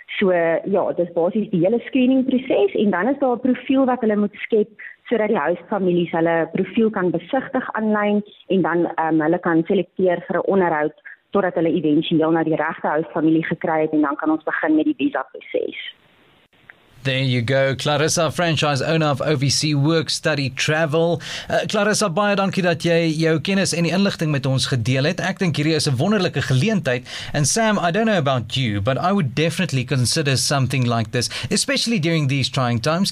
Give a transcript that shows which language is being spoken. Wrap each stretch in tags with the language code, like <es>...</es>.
<af>So ja, dis basies die hele screening proses, en dan is daar 'n profiel wat hulle moet skep sodat die huisfamilies hulle profiel kan besigtig aanlyn, en dan hulle kan selekteer vir 'n onderhoud totdat hulle eventueel na die regte huisfamilie gekry het, en dan kan ons begin met die visa proses.</af> <en>There you go, Clarissa, franchise owner of OVC Work Study Travel.</en> <af>Clarissa, baie dankie dat jy jou kennis en die inligting met ons gedeel het. Ek dink hierdie is 'n wonderlike geleentheid.</af> <en>And Sam, I don't know about you, but I would definitely consider something like this, especially during these trying times.</en>